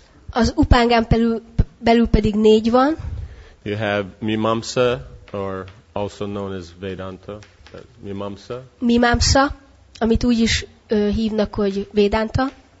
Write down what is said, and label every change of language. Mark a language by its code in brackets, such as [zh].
[hu] Az upangán belül pedig négy van. [en] You have Mimamsa, or also known as Vedanta. Mimamsa. [hu] Mimamsa, amit úgy is hívnak, hogy Vedanta.